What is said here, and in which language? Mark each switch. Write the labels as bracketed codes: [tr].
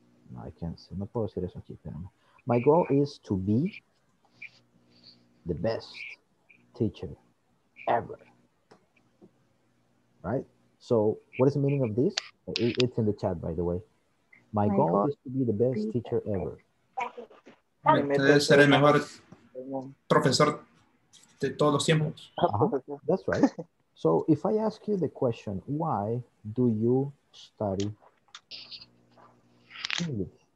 [es] No, [en] I can't see. [es] No puedo decir eso aquí, espérame. [en] My goal is to be the best teacher ever. Right? So what is the meaning of this? It's in the chat, by the way. My goal is to be the best teacher ever. [es] Ser el mejor profesor de todos los tiempos. [en] That's right. So if I ask you the question, why do you study English?